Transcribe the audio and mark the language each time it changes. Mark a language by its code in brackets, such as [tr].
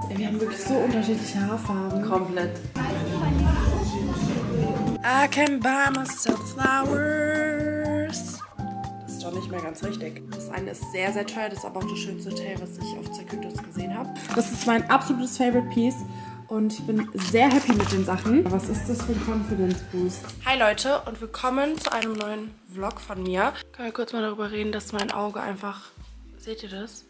[de] Wir haben wirklich so unterschiedliche Haarfarben. Komplett. [en] I can buy myself flowers. [de] Das ist doch nicht mehr ganz richtig. Das eine ist sehr, sehr teuer. Das ist aber auch das schönste Hotel, was ich auf Zakynthos gesehen habe. Das ist mein absolutes Favorite Piece. Und ich bin sehr happy mit den Sachen. Was ist das für ein Confidence Boost? Hi Leute und willkommen zu einem neuen Vlog von mir. Können wir kurz mal darüber reden, dass mein Auge einfach... Seht ihr das?